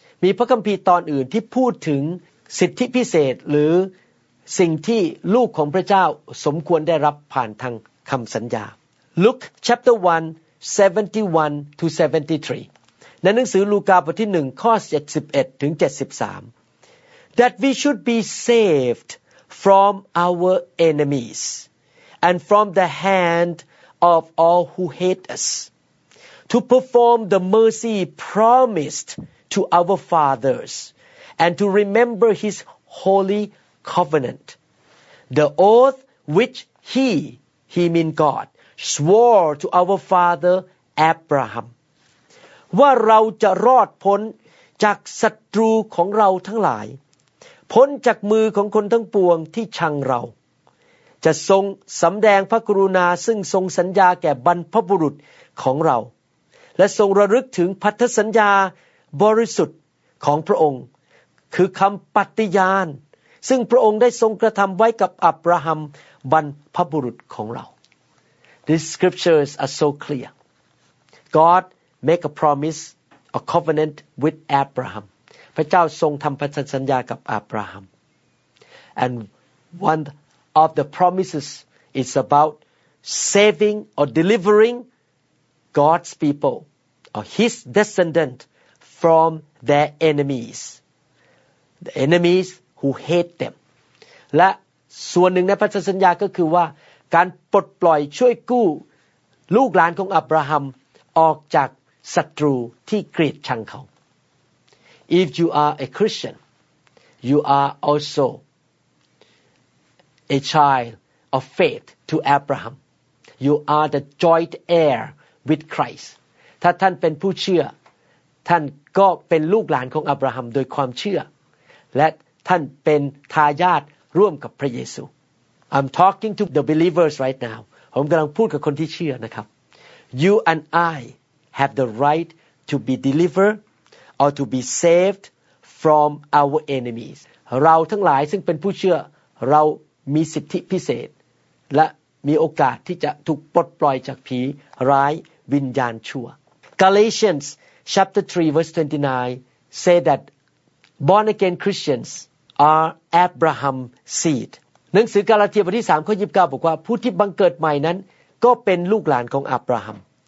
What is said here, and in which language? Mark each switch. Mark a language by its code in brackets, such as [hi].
[th] มีพระคัมภีร์ตอนอื่นที่พูดถึงสิทธิพิเศษหรือสิ่งที่ลูกของพระเจ้าสมควรได้รับผ่านทางคำสัญญา [en] Luke chapter 1 71 to 73. [th] ในหนังสือลูกาบทที่1ข้อ71ถึง73 [en] That we should be saved from our enemies and from the hand of all who hate us. To perform the mercy promised to our fathers and to remember his holy covenant, the oath which he mean God, swore to our father Abraham. [th] ว่าเราจะรอดพ้นจากศัตรูของเราทั้งหลายพ้นจากมือของคนทั้งปวงที่ชังเราจ จะทรงสำแดงพระกรุณาซึ่งทรงสัญญาแก่บรรพบุรุษของเราและทรงระลึกถึงพันธสัญญาบริสุทธิ์ของพระองค์คือคำปฏิญาณซึ่งพระองค์ได้ทรงกระทำไว้กับอับราฮัมบรรพบุรุษของเรา [en] These scriptures are so clear. God make a promise, a covenant with Abraham. [th] พระเจ้าทรงทำพันธสัญญากับอับราฮัม [en] And one of the promises is about saving or deliveringGod's people, or His descendant, from their enemies. The enemies who hate them. [th] และส่วนหนึ่งในพันธสัญญาก็คือว่าการปลดปล่อยช่วยกู้ลูกหลานของอับราฮัมออกจากศัตรูที่เกลียดชังเขา [en] If you are a Christian, you are also a child of faith to Abraham. You are the joint heirwith Christ [th] ถ้าท่านเป็นผู้เชื่อท่านก็เป็นลูกหลานของอับราฮัมโดยความเชื่อและท่านเป็นทายาทร่วมกับพระเยซู [en] I'm talking to the believers right now [th] ผมกำลังพูดกับคนที่เชื่อนะครับ [en] You and I have the right to be delivered or to be saved from our enemies [th] เราทั้งหลายซึ่งเป็นผู้เชื่อเรามีสิทธิพิเศษและมีโอกาสที่จะถูกปลดปล่อยจากผีร้ายวิญญาณชั่ว [en] Galatians chapter 3 verse 29 say that born again Christians are Abraham's seed [th] หนังสือกาลาเทียบทที่3ข้อ29บอกว่าผู้ที่บังเกิดใหม่นั้นก็เป็นลูกหลานของอับราฮัม